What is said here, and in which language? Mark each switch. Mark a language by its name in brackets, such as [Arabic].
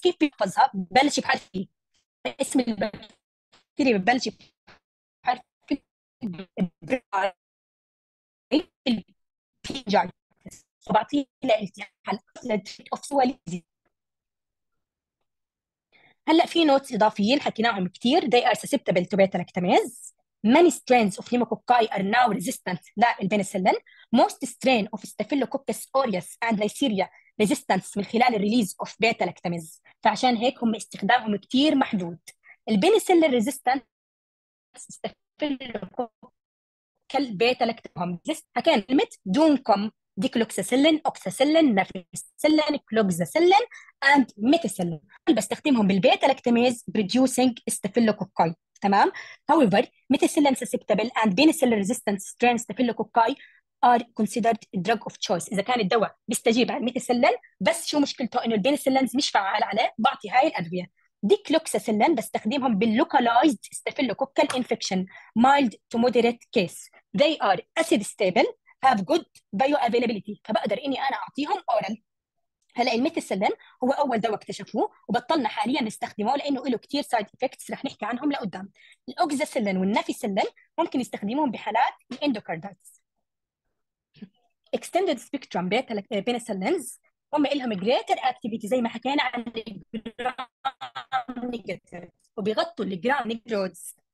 [Arabic] كيف بيحفظها؟ ببلش بحرف بي، اسم البكتيريا ببلش بحرف بي pharyngitis، وبعطيه لالتحال [English] treatment of swelling. [Arabic] هلا في نوتس اضافيين حكيناهم كثير، [English] they are susceptible to beta lactamase. Many strains of pneumococci are now resistant [Arabic] للبنسلين. [English] Most strain of Staphylococcus aureus and Neisseria resistance [Arabic] من خلال [English] الريليز of beta lactamase. [Arabic] فعشان هيك هم استخدامهم كثير محدود. البنسلين ريزيستنت Staphylococcal بيتا لاكتاميز. حكينا كلمة دونكم ديكلوكساسيلين، اوكساسيلين، نافيسيلين، كلوكساسيلين اند ميتاسيلين. بستخدمهم بالبيتا لاكتاميز [English] producing Staphylococci. [Arabic] تمام. [English] however methicillin susceptible and penicillin resistant strains staphylococci are considered drug of choice. [Arabic] اذا كان الدواء بيستجيب على الميثسلين بس شو مشكلته انه البنسلينز مش فعال عليه، بعطي هاي الادويه. ديكلوكساسيلين بستخدمهم باللوكالايزد ستافيلوكوكال انفكشن مايلد تو مودريت كيس. [English] They are acid stable, have good bioavailability. [Arabic] فبقدر اني انا اعطيهم اورال. هلا الميثسلين هو اول دواء اكتشفوه وبطلنا حاليا نستخدمه لانه له كثير سايد افكتس رح نحكي عنهم لقدام. الاوكساسيلين والنافيسيلين ممكن يستخدمهم بحالات الاندوكاردايتس. [English] extended spectrum beta penicillins [Arabic] هم لهم [English] greater activity [Arabic] زي ما حكينا عن الجرام نيجاتيف، وبيغطوا الجرام نيجرودز.